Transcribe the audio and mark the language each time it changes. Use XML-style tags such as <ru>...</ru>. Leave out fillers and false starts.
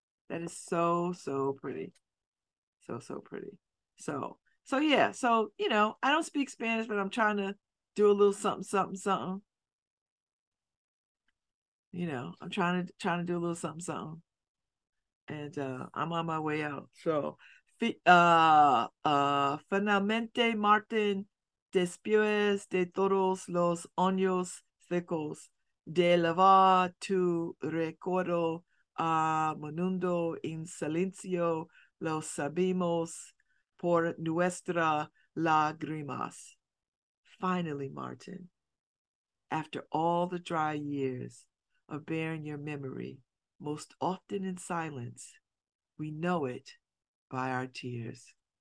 <en>That is so, so pretty. So pretty. So yeah. So, you know, I don't speak Spanish, but I'm trying to do a little something. You know, I'm trying to do a little something. And I'm on my way out.</en> <es>So, finalmente, Martin, después de todos los años secos de lavar tu recuerdo a menudo en silencio, lo sabemos por nuestra lágrimas.</es> <en>Finally, Martin, after all the dry years of bearing your memory, most often in silence, we know it by our tears.</en>